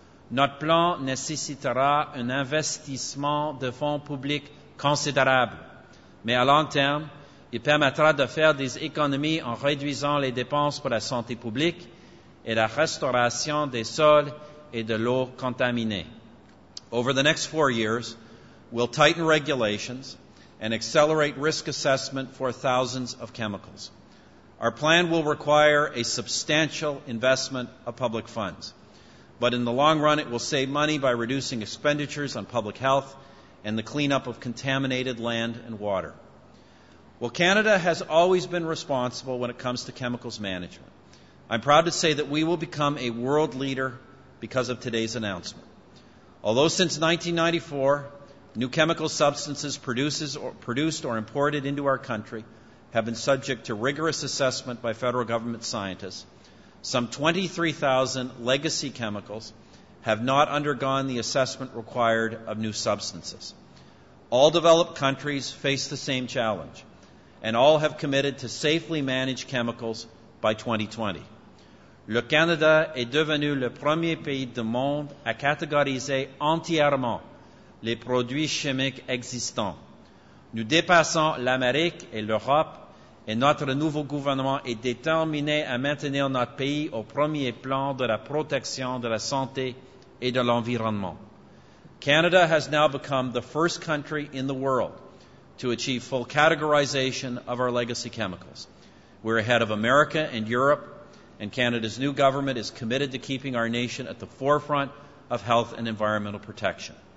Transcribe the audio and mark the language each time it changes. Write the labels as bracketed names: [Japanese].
[French] Notre plan nécessitera un investissement de fonds publics considérable, mais à long terme, il permettra de faire des économies en réduisant les dépenses pour la santé publique et la restauration des sols et de l'eau contaminée. [English] Over the next 4 years, we'll tighten regulations and accelerate risk assessment for thousands of chemicals. Our plan will require a substantial investment of public funds, but in the long run, it will save money by reducing expenditures on public health and the cleanup of contaminated land and water. Well, Canada has always been responsible when it comes to chemicals management. I'm proud to say that we will become a world leader because of today's announcement. Although since 1994, new chemical substances produced or imported into our country have been subject to rigorous assessment by federal government scientists. Some 23,000 legacy chemicals have not undergone the assessment required of new substances. All developed countries face the same challenge, and all have committed to safely manage chemicals by 2020. [French] Le Canada est devenu le premier pays du monde à catégoriser entièrement les produits chimiques existants. Nous dépassons l'Amérique et l'Europe, et notre nouveau gouvernement est déterminé à maintenir notre pays au premier plan de la protection de la santé et de l'environnement. [English] Canada has now become the first country in the world to achieve full categorization of our legacy chemicals. We're ahead of America and Europe, and Canada's new government is committed to keeping our nation at the forefront of health and environmental protection.